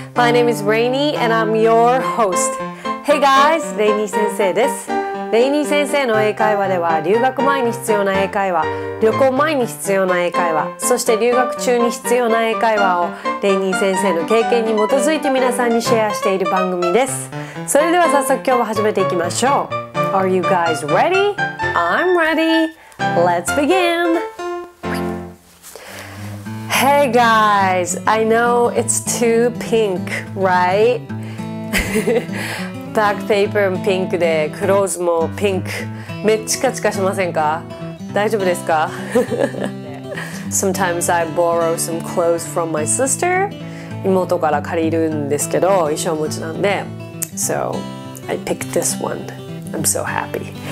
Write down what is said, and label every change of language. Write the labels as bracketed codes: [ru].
[en] My name is Reiny and I'm your host. Hey guys, Reiny [ja] 先生です。 Reiny 先生の英会話では、留学前に必要な英会話、旅行前に必要な英会話、そして留学中に必要な英会話を Reiny 先生の経験に基づいて皆さんにシェアしている番組です。それでは早速今日は始めていきましょう。 [en] Are you guys ready? I'm ready. Let's begin. Hey guys, I know it's too pink, right? Back paper [ja] もピンクで、クローズもピンク。めっちゃカチカチしませんか？大丈夫ですか？ [en] Sometimes I borrow some clothes from my sister. [ja] 妹から借りるんですけど、衣装持ちなんで。 [en] So, I picked this one. I'm so happy.